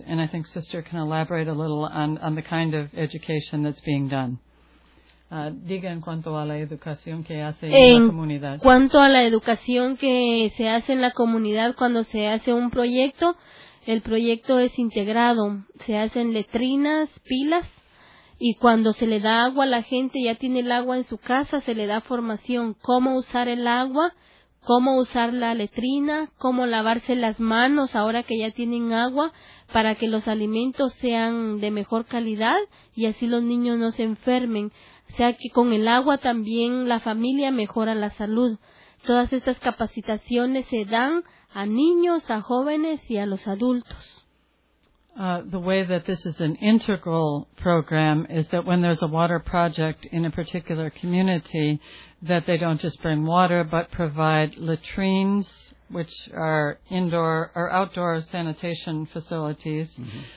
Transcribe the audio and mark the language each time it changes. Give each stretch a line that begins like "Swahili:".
English: And I think Sister can elaborate a little on the kind of education that's being done.
Spanish: Diga en cuanto a la educación que hace en la comunidad. En cuanto a la educación que se hace en la comunidad cuando se hace un proyecto, el proyecto es integrado. Se hacen letrinas, pilas. Y cuando se le da agua a la gente, ya tiene el agua en su casa, se le da formación. Cómo usar el agua, cómo usar la letrina, cómo lavarse las manos ahora que ya tienen agua, para que los alimentos sean de mejor calidad y así los niños no se enfermen. O sea que con el agua también la familia mejora la salud. Todas estas capacitaciones se dan a niños, a jóvenes y a los adultos.
English: The way that this is an integral program is that when there's a water project in a particular community, that they don't just bring water but provide latrines, which are indoor or outdoor sanitation facilities, mm-hmm.